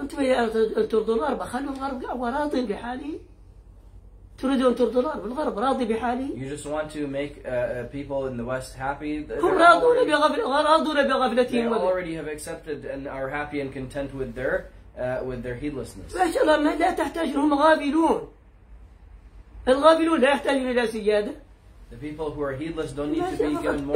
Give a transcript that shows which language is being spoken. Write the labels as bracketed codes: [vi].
[ar] أنتم يا ترضوا الغرب خلوا الغرب وراضي بحالي. تريدون أن ترضوا الغرب. الغرب راضي بحالي. [en] You just want to make people in the West happy. [ar] هم راضون بغفل راضون بغفلتهم. [en] They already have accepted and are happy and content with their heedlessness. [ar] ما شاء الله لا تحتاجون هم غافلون. الغافلون لا يحتاجون إلى زيادة. [en] The people who are heedless don't need to be given more.